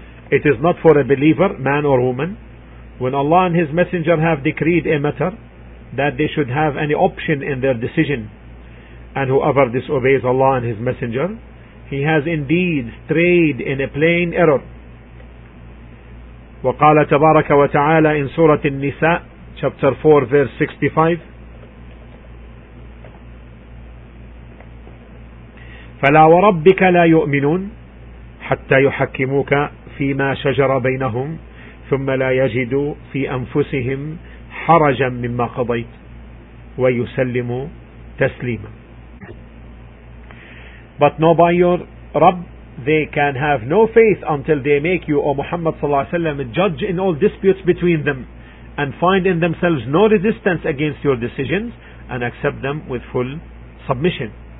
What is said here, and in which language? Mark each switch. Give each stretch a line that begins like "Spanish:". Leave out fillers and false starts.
English: It is not for a believer, man or woman, when Allah and His Messenger have decreed a matter, that they should have any option in their decision. And whoever disobeys Allah and His Messenger, he has indeed strayed in a plain error.
Arabic: وقال تبارك وتعالى
English: in Surah An-Nisa chapter 4 verse 65,
Arabic: فلا وربك لا يؤمنون حتى يحكموك فيما شجر بينهم ثم لا يجدوا في أنفسهم حرجا مما قضيت ويسلموا تسليما.
English: But no, by your Rabb, they can have no faith until they make you, O Muhammad sallallahu alaihi wasallam, a judge in all disputes between them, and find in themselves no resistance against your decisions, and accept them with full submission.